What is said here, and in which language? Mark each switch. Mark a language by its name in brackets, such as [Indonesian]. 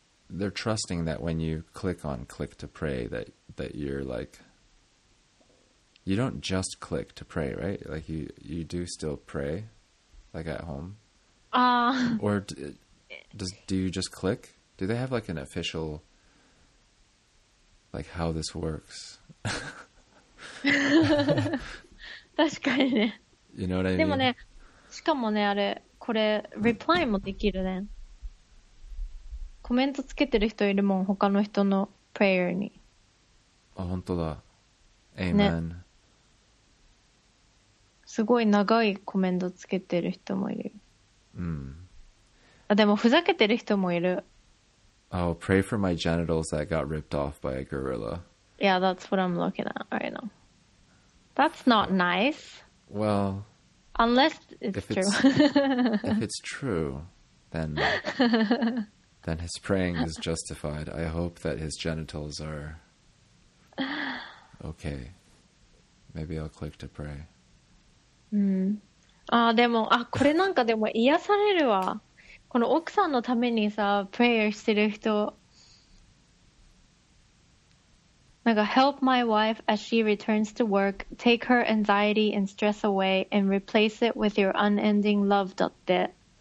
[English] They're trusting that when you click on click to pray that you're like you don't just click to pray, right? Like you do still pray like at home. Or do you just click? Do they have like an official like how this works? [Japanese] 確かにね。 [English] You know what I mean? [Japanese] でもね、しかもね、あれ、これ、リプライもできるね。コメントつけてる人いるもん、他の人のプレイヤーに。あ、本当だ。Amen、ね。すごい長いコメントつけてる人もいる。うん。あ、でも、ふざけてる人もいる。 [English] Oh, pray for my genitals that got ripped off by a gorilla. Yeah, that's what I'm looking at right now. That's not nice. Well, unless it's true. If it's true, then, then his praying is justified. I hope that his genitals are okay. Maybe I'll click to pray. [Japanese] Ah, でも、あ、これなんかでも癒されるわ。この奥さんのためにさ、プレイヤーしてる人。なんか [English] help my wife as she returns to work, take her anxiety and stress away and replace it with your unending love [Japanese] だって。